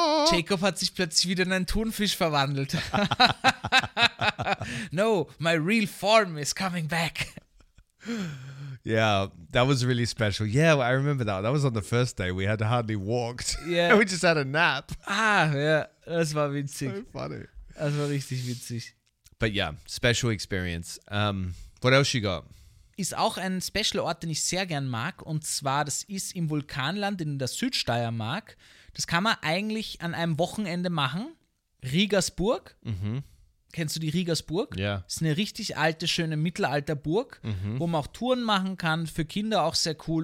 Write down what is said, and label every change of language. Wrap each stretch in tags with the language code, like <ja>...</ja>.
<de>Jacob hat sich plötzlich wieder in einen Thunfisch verwandelt.</de> <en>No, my real form is coming back. Yeah, that was really special. Yeah, I remember that. That was on the first day. We had hardly walked. Yeah. We just had a nap.</en> <de>Ah, yeah. Das war witzig.</de> <en>So funny.</en> <de>Das war richtig witzig.</de> <en>But yeah, special experience. What else you got?</en> <de>Ist auch ein special Ort, den ich sehr gern mag. Und zwar, das ist im Vulkanland in der Südsteiermark. Das kann man eigentlich an einem Wochenende machen. Riegersburg. Mhm. Kennst du die Riegersburg? Ja. Ist eine richtig alte, schöne Mittelalterburg, wo man auch Touren machen kann, für Kinder auch sehr cool.</de>